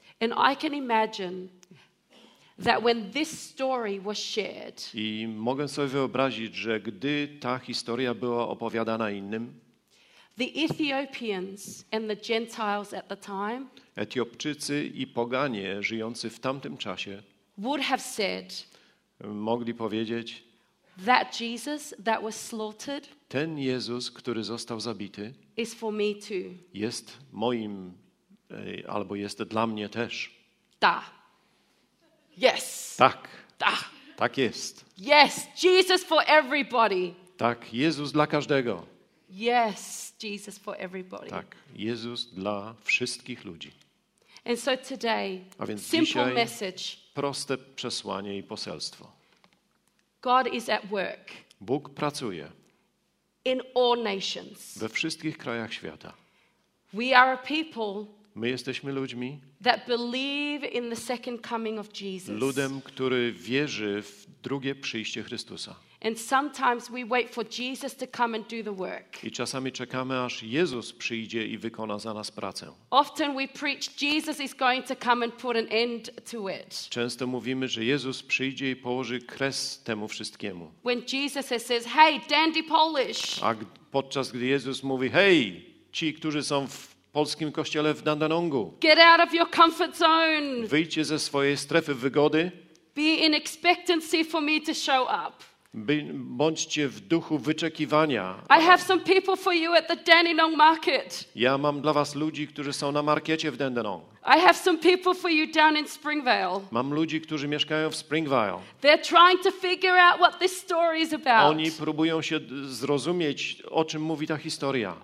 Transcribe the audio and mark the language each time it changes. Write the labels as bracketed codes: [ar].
[en] And I can imagine that when this story was shared, [pl] i mogę sobie wyobrazić, że gdy ta historia była opowiadana innym. [en] The Ethiopians and the Gentiles at the time. [pl] Etiopczycy i poganie żyjący w tamtym czasie. [en] Would have said. [pl] Mogli powiedzieć. [en] That Jesus that was slaughtered. [pl] Ten Jezus, który został zabity. [en] Is for me too. [pl] Jest moim, albo jest dla mnie też. [en] Da. Yes. [pl] Tak. Da. Tak jest. [en] Yes, Jesus for everybody. [pl] Tak, Jezus dla każdego. [en] Yes, Jesus for everybody. [pl] Tak, Jezus dla wszystkich ludzi. [en] And so today, [pl] a więc [en] simple [pl] dzisiaj [en] message. [pl] Proste przesłanie i poselstwo. [en] God is at work. [pl] Bóg pracuje. [en] In all nations. [pl] We wszystkich krajach świata. [en] We are a people. [pl] My jesteśmy ludźmi. [en] That believe in the second coming of Jesus. [pl] Ludem, który wierzy w drugie przyjście Chrystusa. [en] And sometimes we wait for Jesus to come and do the work. [pl] I czasami czekamy, aż Jezus przyjdzie i wykona za nas pracę. [en] Often we preach Jesus is going to come and put an end to it. [pl] Często mówimy, że Jezus przyjdzie i położy kres temu wszystkiemu. [en] When Jesus says, "Hey, dandy Polish." [pl] A podczas gdy Jezus mówi: "Hej, ci, którzy są w polskim kościele w Dandenongu." [en] Get out of your comfort zone. [pl] Wyjdźcie ze swojej strefy wygody. [en] Be in expectancy for me to show up. [pl] Bądźcie w duchu wyczekiwania. [en] I have some people for you at the Dandenong market. [pl] Ja mam dla was ludzi, którzy są na markecie w Dandenong. [en] I have some people for you down in Springvale. [pl] Mam ludzi, którzy mieszkają w Springvale. [en] They're trying to figure out what this story is about. [pl] Oni próbują się zrozumieć, o czym mówi ta historia.